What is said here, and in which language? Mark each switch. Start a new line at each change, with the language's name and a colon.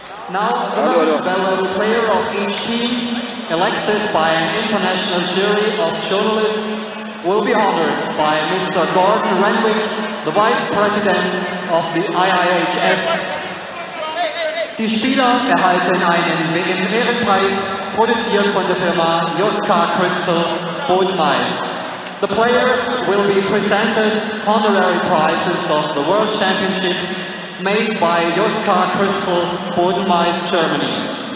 English: Now another fellow player of each team, elected by an international jury of journalists, will be honored by Mr. Gordon Renwick, the Vice President of the IIHF.
German: Die Spieler erhalten einen Ehrenpreis, produziert von der Firma Joska Crystal Bodenmais.
English: The players will be presented honorary prizes of the World Championships made by Joska Crystal Bodenmais Germany.